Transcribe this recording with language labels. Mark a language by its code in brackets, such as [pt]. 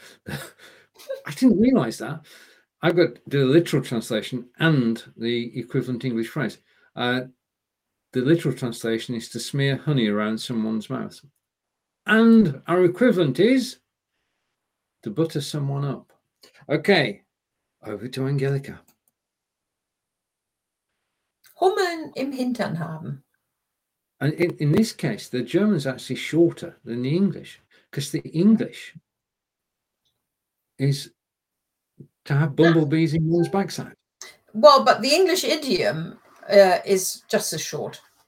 [en] I didn't realise that. I've got to do the literal translation and the equivalent English phrase. The literal translation is to smear honey around someone's mouth. And our equivalent is to butter someone up. Okay, over to Angelica. [de] Hummeln im Hintern haben. [en] And in this case, the German's actually shorter than the English because the English is... to have bumblebees in one's backside. Well, but the English idiom is just as short.